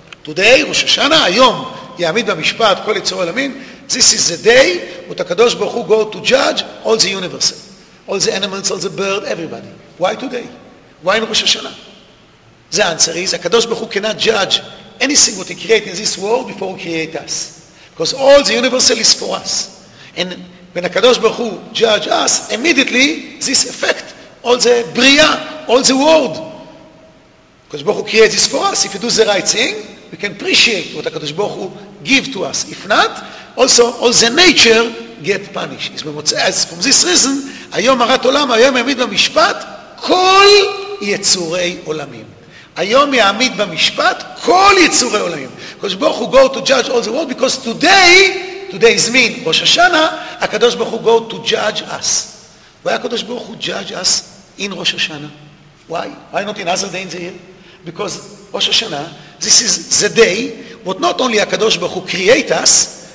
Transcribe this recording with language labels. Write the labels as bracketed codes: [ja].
[he] Today, ראש השנה, היום, יעמיד במשפט כל יצורי עולמים. [en] This is the day when the Kadosh Baruch Hu go to judge all the universe, all the animals, all the birds, everybody. Why today? Why in ראש השנה? The answer is, the Kadosh Baruch Hu cannot judge anything what he created in this world before he created us. Because all the universe is for us. And when the Kadosh Baruch Hu judge us, immediately, this effect, all the bria, all the world, HaKadosh Baruch Hu creates this for us. If you do the right thing, we can appreciate what HaKadosh Baruch Hu give to us. If not, also all the nature get punished. It's from this reason, [he] היום הרת עולם, היום יעמיד במשפט כל יצורי עולמים. היום יעמיד במשפט כל יצורי עולמים. [en] HaKadosh Baruch Hu go to judge all the world because today, today is mean, Rosh Hashanah, HaKadosh Baruch Hu go to judge us. Why HaKadosh Baruch Hu judge us in Rosh Hashanah? Why? Why not in other day in the year? Because Rosh Hashanah, this is the day what not only HaKadosh Baruch Hu create us,